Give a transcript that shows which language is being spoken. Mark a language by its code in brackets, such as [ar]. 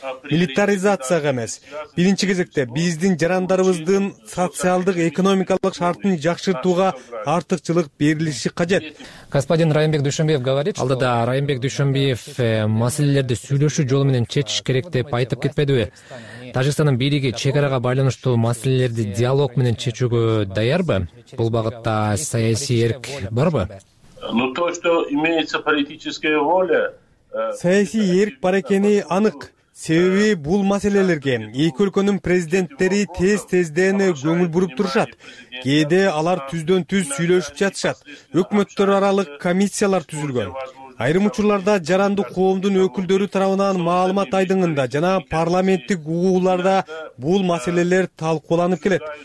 [ky] Милитаризацияга эмес, биринчи кезекте биздин жарандарыбыздын социалдык экономикалык шартын жакшыртууга артыкчылык берилиши кажет. [ru] Господин Райымбек Дүйшөнбеев говорит, что [ky] алдыда Райымбек Дүйшөнбеев маселелерди сүйлөшүү жолу менен чечиш керек деп айтып кетпедиби? Таджикстандын бийлиги чек арага байланыштуу маселелерди диалог менен чечүүгө даярбы? Бул багытта саясий эрк барбы? [ru] Ну то, что имеется политическая воля. [ky] Саясий эрк бар экени анык. Себеби бул маселелерге эки өлкөнүн президенттери тез-тезден көңүл буруп турушат. Кээде алар түздөн түз сүйлөшүп жатышат. Өкмөттөр аралык комиссиялар түзүлгөн. Айрым учурларда жарандык коомдун өкүлдөрү тарабынан маалымат айдыңында жана парламенттик угууларда бул маселелер талкууланып келет.